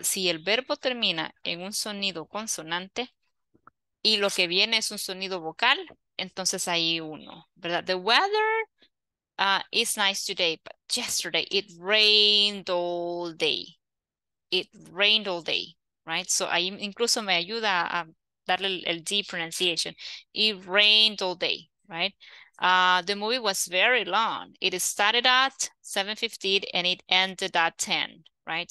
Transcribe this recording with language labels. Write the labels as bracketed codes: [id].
[es] Si el verbo termina en un sonido consonante y lo que viene es un sonido vocal, entonces ahí uno, ¿verdad? [en] The weather is nice today, but yesterday it rained all day. It rained all day. [es] Right, so ahí incluso me ayuda a darle el D pronunciation. [en] It rained all day, right? The movie was very long. It started at 7:15 and it ended at 10, right?